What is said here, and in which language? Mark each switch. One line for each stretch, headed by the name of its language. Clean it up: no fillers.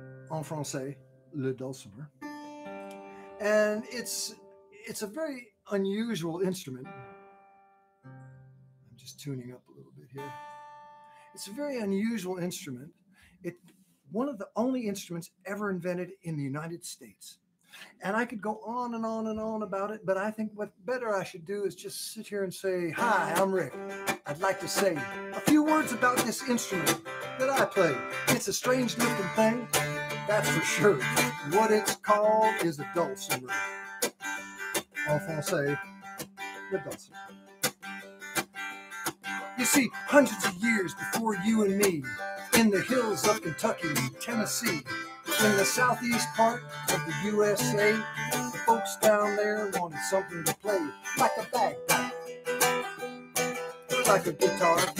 French: En français, le dulcimer.
English: And it's a very unusual instrument. I'm just tuning up a little bit here. It's a very unusual instrument. It's one of the only instruments ever invented in the United States. And I could go on and on and on about it, but I think what better I should do is just sit here and say, hi, I'm Rick. I'd like to say a few words about this instrument that I play. It's a strange looking thing, that's for sure. What it's called is a dulcimer.
French: En français, le dulcimer.
English: You see, hundreds of years before you and me, in the hills of Kentucky and Tennessee, in the southeast part of the USA, the folks down there wanted something to play, like a bagpipe, like a guitar.